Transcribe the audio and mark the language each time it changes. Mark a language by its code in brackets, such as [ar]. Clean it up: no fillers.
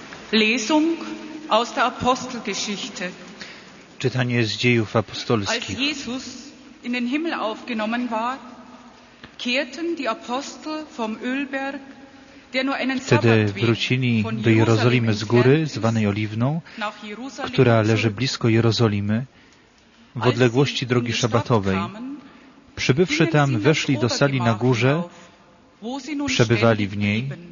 [de] Lesung aus der Apostelgeschichte. [pl] Czytanie z Dziejów Apostolskich. [de] Als Jesus in den Himmel aufgenommen war, kehrten die Apostel vom Ölberg, der nur einen [pl] Wtedy wrócili do Jerozolimy z góry, zwanej Oliwną, która leży blisko Jerozolimy, w odległości drogi szabatowej. Przybywszy tam, weszli do sali na górze, przebywali w niej.